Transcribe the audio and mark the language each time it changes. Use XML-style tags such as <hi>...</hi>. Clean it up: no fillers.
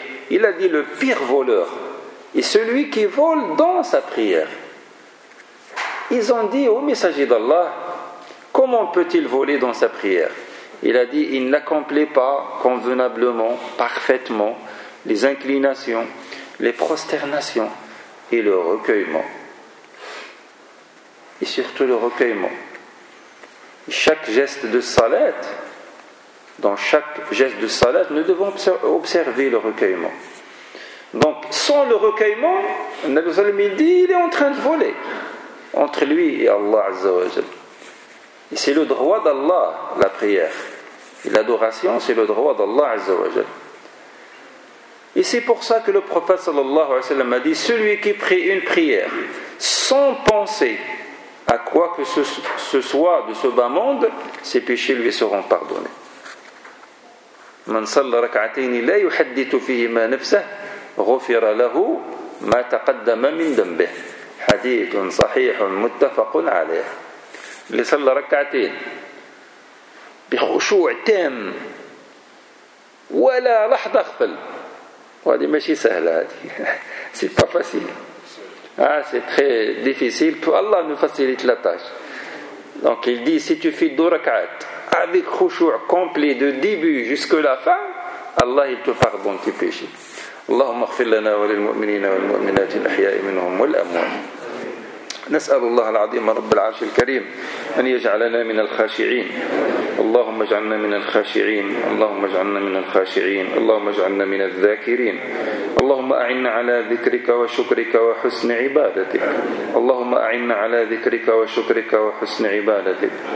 <fr>il a dit le pire voleur et celui qui vole dans sa prière ils ont dit au messager d'Allah comment peut-il voler dans sa prière il a dit il n'accomplit pas convenablement, parfaitement les inclinations les prosternations et le recueillement et surtout le recueillement chaque geste de salat dans chaque geste de salat, nous devons observer le recueillement. Donc, sans le recueillement, Nabi Sallam dit, il est en train de voler entre lui et Allah Azza wa Jal. C'est le droit d'Allah, la prière. Et l'adoration, c'est le droit d'Allah Azza wa Jal. Et c'est pour ça que le prophète sallallahu alayhi wa sallam a dit, celui qui prie une prière sans penser à quoi que ce soit de ce bas monde, ses péchés lui seront pardonnés.</fr> <ar>من صلى ركعتين لا يحدث فيهما نفسه غفر له ما تقدم من ذنبه حديث صحيح متفق عليه اللي صلى ركعتين بخشوع تام ولا لحظة غفل وهذه ماشي سهلة هذه</ar> <fr>سي با فاسيل Ah, c'est très difficile. Allah nous facilite la tâche. Donc il dit, si tu fais deux rak'at avec khushu' complet de début jusqu'à la fin, Allah il te pardonne tes péchés.</fr> <ar>Allahumma ighfir lana wa lil mu'minina wal mu'minati al-ahya'i minhum wal amwat. نسأل الله العظيم رب العرش الكريم أن يجعلنا من الخاشعين اللهم اجعلنا من الخاشعين اللهم اجعلنا من الخاشعين اللهم اجعلنا من الذاكرين اللهم أعنا على ذكرك وشكرك وحسن عبادتك اللهم أعنا على ذكرك وشكرك وحسن عبادتك</ar>